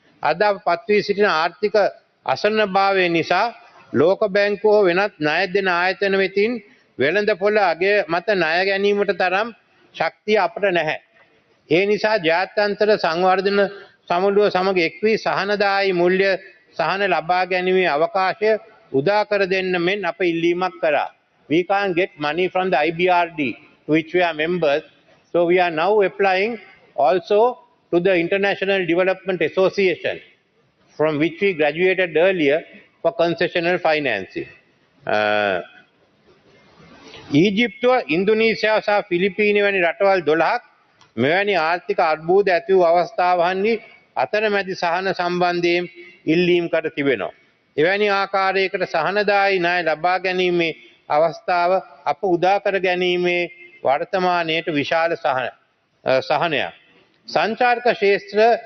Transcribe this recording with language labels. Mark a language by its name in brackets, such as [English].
[Sinhala] අද අපපත් වී සිටින ආර්ථික අසන්නභාවය නිසා ලෝක බැංකුව වෙනත් ණය දෙන ආයතන වෙතින් වෙළඳපොළ අගය මත ණය ගැනීමට තරම් ශක්තිය අපට නැහැ. ඒ නිසා ජාත්‍යන්තර සංවර්ධන සමුළුව සමග එක්වී සහනදායි මුල්‍ය සහන ලබා ගැනීමේ අවකාශය උදා කර දෙන්න මෙන් අප ඉල්ලීමක් කරා. [English] We can't get money from the IBRD to which we are members, so we are now applying also to the International Development Association from which we graduated earlier for concessional financing. [Sinhala] ඊජිප්තු, ඉන්දුනීසියා සහ ෆිලිපීනි වැනි රටවල් 12ක් මෙවැනි ආර්ථික අර්බුද ඇති වූ අවස්ථාවන්හි අතරමැදි සහන සම්බන්ධයෙන් ඉල්ලීම් කර තිබෙනවා. එවැනි ආකාරයකට සහනදායි ණය ලබා ගැනීමේ අවස්ථාව අප උදා කර ගැනීමේ වර්තමානයේට විශාල සහනයක්. සංචාරක ක්ෂේත්‍ර